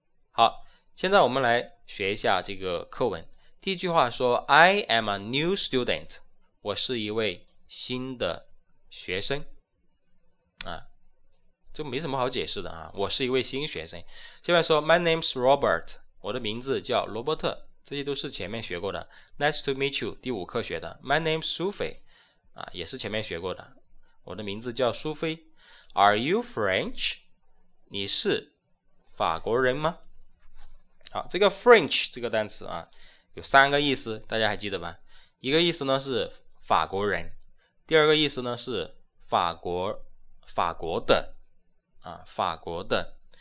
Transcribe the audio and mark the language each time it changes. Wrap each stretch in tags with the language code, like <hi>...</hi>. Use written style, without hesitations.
<zh>好，现在我们来学一下这个课文。第一句话说</zh> <en>I am a new student.</en> <zh>我是一位新的学生。啊，这没什么好解释的啊，我是一位新学生。下面说</zh> <en>My name's Robert.</en> <zh>我的名字叫罗伯特。这些都是前面学过的。</zh> <en>Nice to meet you,</en> <zh>第五课学的。</zh> <en>My name's Sophie,、</en> <zh>啊、也是前面学过的。我的名字叫苏菲。</zh> <en>Are you French?</en> <zh>你是法国人吗？好，这个 French 这个单词啊，有三个意思，大家还记得吧？一个意思呢是法国人，第二个意思呢是法国的、啊、法国的。</zh>